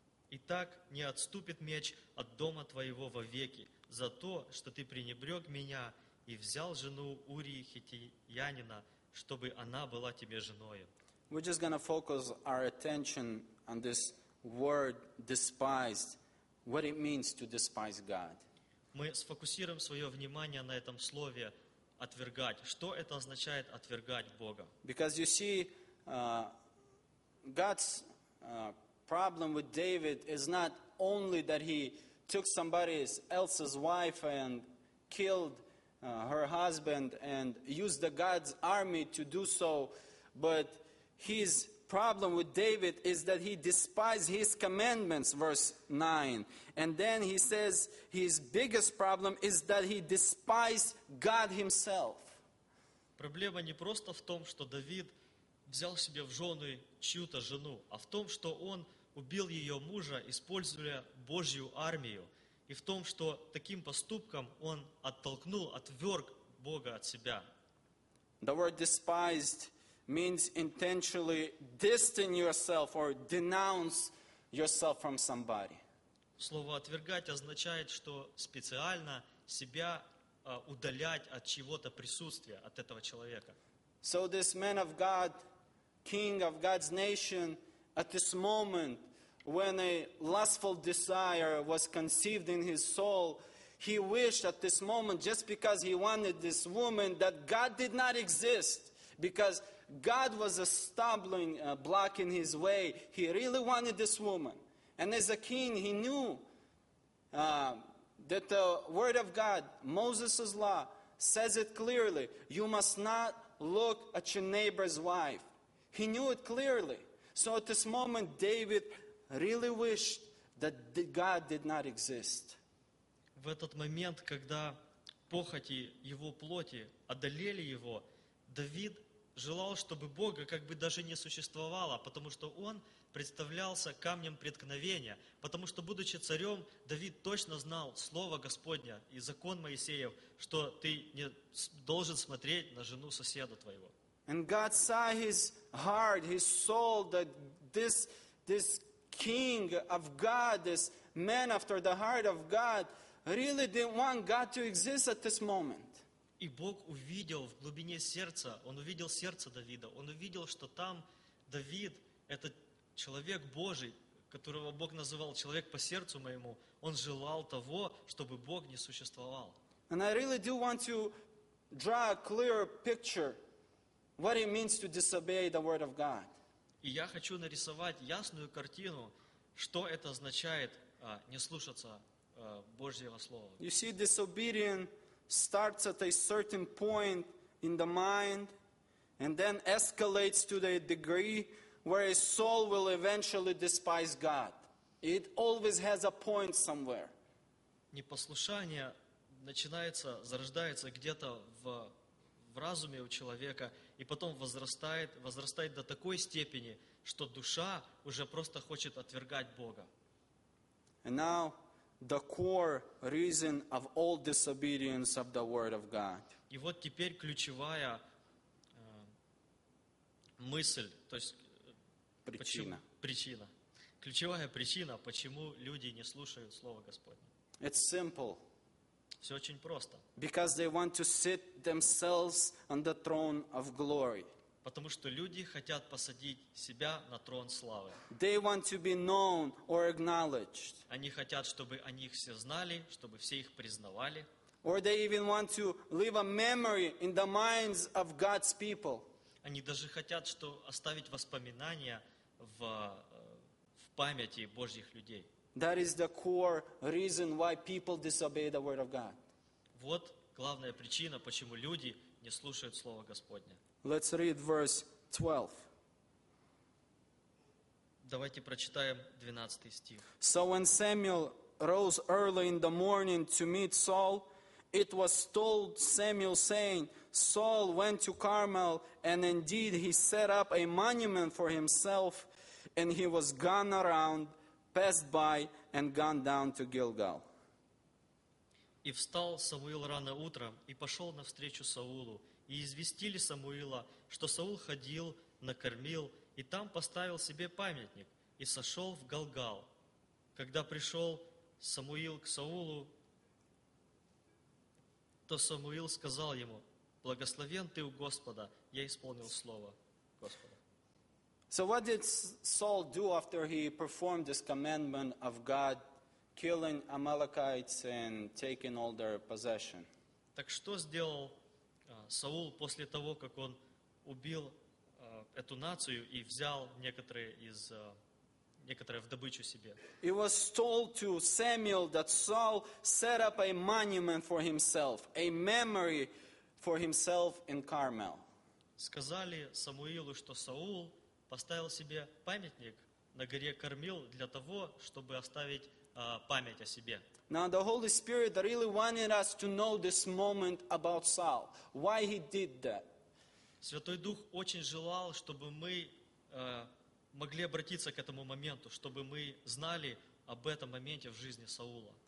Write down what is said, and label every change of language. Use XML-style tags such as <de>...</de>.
<ru>И так не отступит меч от дома твоего вовеки, за то, что ты пренебрег меня и взял жену Урии Хитиянина, чтобы она была тебе женою.</ru> <en>We're just going to focus our attention on this word despised, what it means to despise God.</en> <ru>Мы сфокусируем свое внимание на этом слове отвергать. Что это означает отвергать Бога?</ru> <en>Because you see, God's problem with David is not only that he took somebody else's wife and killed her husband and used the God's army to do so. But his problem with David is that he despised his commandments, verse 9. And then he says his biggest problem is that he despised God himself.</en> <ru>Проблема не просто в том, что Давид взял себе в жены чью-то жену, а в том, что он убил ее мужа, используя Божью армию, и в том, что таким поступком он оттолкнул, отверг Бога от себя.</ru> <en>The word despised means intentionally distance yourself or denounce yourself from somebody.</en> <ru>Слово «отвергать» означает, что специально себя удалять от чего-то присутствия, от этого человека.</ru> <en>So this man of God, king of God's nation, at this moment, when a lustful desire was conceived in his soul, he wished at this moment, just because he wanted this woman, that God did not exist, because God was a stumbling block in his way. He really wanted this woman. And as a king, he knew that the word of God, Moses' law, says it clearly. You must not look at your neighbor's wife. He knew it clearly. So at this moment, David really wished that God did not exist.</en> <ru>В этот момент, когда похоти его плоти одолели его, Давид желал, чтобы Бога как бы даже не существовало, потому что он представлялся камнем преткновения. Потому что, будучи царем, Давид точно знал слово Господне и закон Моисеев, что ты не должен смотреть на жену соседа твоего.</ru> <en>And God saw his heart, his soul, that this king of God, this man after the heart of God, really didn't want God to exist at this moment.</en> <ru>И Бог увидел в глубине сердца, он увидел сердце Давида, он увидел, что там Давид, этот человек Божий, которого Бог называл человек по сердцу моему, он желал того, чтобы Бог не существовал.</ru> <en>And I really do want to draw a clear picture what it means to disobey the word of God.</en> <ru>И я хочу нарисовать ясную картину, что это означает не слушаться Божьего слова.</ru> <en>You see, disobedience starts at a certain point in the mind and then escalates to the degree where a soul will eventually despise God. It always has a point somewhere.</en> <ru>Непослушание начинается, зарождается где-то в разуме у человека и потом возрастает до такой степени, что душа уже просто хочет отвергать Бога.</ru> <en>And now the core reason of all disobedience of the word of God.</en> <ru>И вот теперь ключевая мысль, то есть причина. Причина. Ключевая причина, почему люди не слушают Слово Господне.</ru> <en>It's simple.</en> <ru>Все очень просто.</ru> <en>Because they want to sit themselves on the throne of glory.</en> <ru>Потому что люди хотят посадить себя на трон славы.</ru> <en>They want to be known or acknowledged.</en> <ru>Они хотят, чтобы о них все знали, чтобы все их признавали.</ru> <en>Or they even want to leave a memory in the minds of God's people.</en> <ru>Они даже хотят, чтобы оставить воспоминания в памяти Божьих людей.</ru> <en>That is the core reason why people disobey the word of God.</en> <ru>Вот главная причина, почему люди не слушают Слово Господне.</ru> <en>Let's read verse 12.</en> <ru>Давайте прочитаем 12 стих.</ru> <en>So when Samuel rose early in the morning to meet Saul, it was told Samuel, saying, Saul went to Carmel, and indeed he set up a monument for himself, and he was gone around, passed by, and gone down to Gilgal.</en> <ru>И встал Самуил рано утром и пошел навстречу Саулу. И известили Самуила, что Саул ходил, накормил, и там поставил себе памятник, и сошел в Галгал. Когда пришел Самуил к Саулу, то Самуил сказал ему, благословен ты у Господа, я исполнил слово Господа.</ru> <en>So what did Saul do after he performed this commandment of God, killing Amalekites and taking all their possession?</en> <ru>Так что сделал Саул после того, как он убил эту нацию и взял некоторые из некоторое в добычу себе.</ru> <en>It was told to Samuel that Saul set up a monument for himself, a memory for himself in Carmel.</en> <ru>Сказали Самуилу, что Саул поставил себе памятник на горе Кармил для того, чтобы оставить память о себе.</ru> <en>Now the Holy Spirit really wanted us to know this moment about Saul, why he did that.</en> <ru>Святой Дух очень желал, чтобы мы могли обратиться к этому моменту, чтобы мы знали об этом моменте в жизни Саула.</ru>